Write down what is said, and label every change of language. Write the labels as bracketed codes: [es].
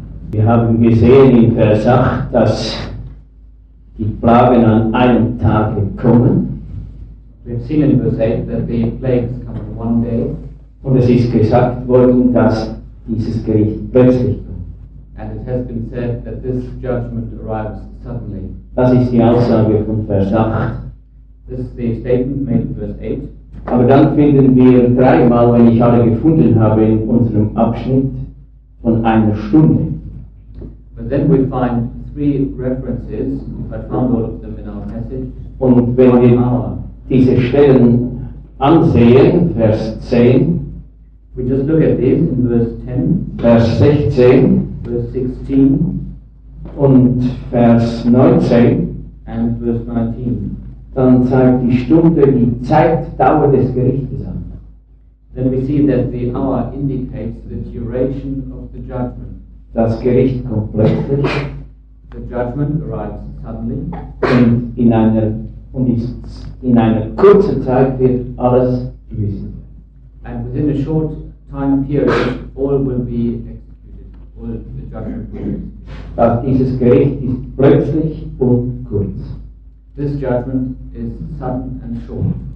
[de] Wir haben gesehen in Vers 8, dass die Plagen an einem Tag kommen. [en] We've seen in Vers 8 that the plagues come in one day. [de] Und es ist gesagt worden, dass dieses Gericht plötzlich kommt. [en] And it has been said that this judgment arrives suddenly. [de] Das ist die Aussage von Vers 8. [en] This is the statement made in Vers 8. [de] Aber dann finden wir dreimal, wenn ich alle gefunden habe, in unserem Abschnitt von einer Stunde. [en] But then we find three references, if I found all of them in our passage. [de] Und wenn wir diese Stellen ansehen, Vers 10, [en] we just look at this in verse 10, [de] Vers 16, [en] verse 16, [de] und Vers 19, [en] and verse 19, [de] dann zeigt die Stunde die Zeitdauer des Gerichtes an. [en] Then we see that the hour indicates the duration of the judgment. [de] Das Gericht kommt plötzlich. [en] The judgment arrives suddenly. [de] Und in einer kurzen Zeit wird alles gewesen. [en] And within a short time period, all will be executed. All the judgment will be executed. [de] Aber dieses Gericht ist plötzlich und kurz. [en] This judgment is sudden and short.